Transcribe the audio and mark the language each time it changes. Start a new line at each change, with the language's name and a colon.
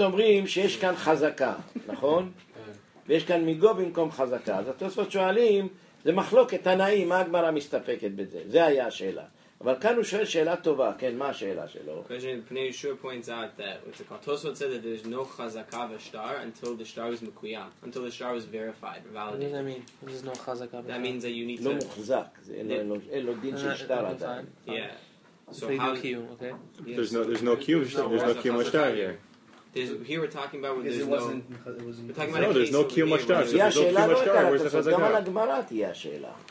Hebrew: אומרים שיש כאן חזקה, נכון? ויש כאן מיגו במקום חזקה. אז התוספות שואלים, זה מחלוקת תנאים, מה הגמרא מסתפקת בזה? זה היה השאלה. אבל כאן הוא שואל שאלה טובה, כן, מה השאלה שלו?
English: Question, פני אישור points out that what's it called? Tosfot said that there's no chazaka v'shtar until the shtar was mekuyam, until the shtar was verified, validated. What does that mean? There's no chazaka v'shtar. That means that you need to...
Hebrew: לא מוחזק, אין לו דין של שטר עדיין.
English: Yeah. There's no kiyum v'shtar here.